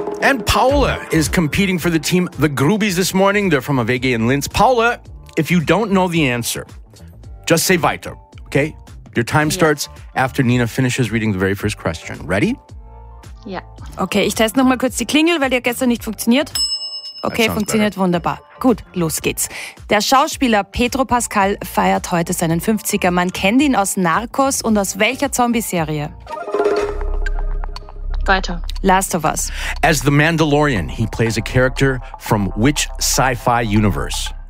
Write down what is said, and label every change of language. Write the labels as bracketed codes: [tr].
[en] And Paula is competing for the team The Groobies this morning. They're from Avege and Linz. Paula, if you don't know the answer, just say weiter, okay? Your time starts after Nina finishes reading the very first question. Ready? [de] Ja. Okay, ich teste nochmal kurz die Klingel, weil die gestern nicht funktioniert. Okay, funktioniert wunderbar. Gut, los geht's. Der Schauspieler Pedro Pascal feiert heute seinen 50er. Man kennt ihn aus Narcos und aus welcher Zombie-Serie? Weiter. Last of Us. [en] As the Mandalorian, he plays a character from which sci-fi universe?